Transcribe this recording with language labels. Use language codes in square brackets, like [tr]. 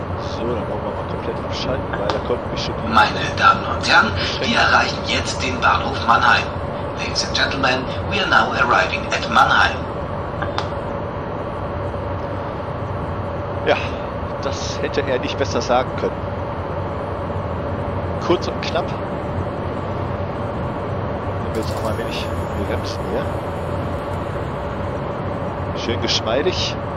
[de] So, dann wollen wir mal komplett abschalten, weil da konnten wir schon... Meine Damen und Herren, wir erreichen jetzt den Bahnhof Mannheim. [en] Ladies and gentlemen, we are now arriving at Mannheim. [de] Ja, das hätte er nicht besser sagen können. Kurz und knapp. Nehmen wir jetzt auch mal ein wenig Bremsen hier. Schön geschmeidig.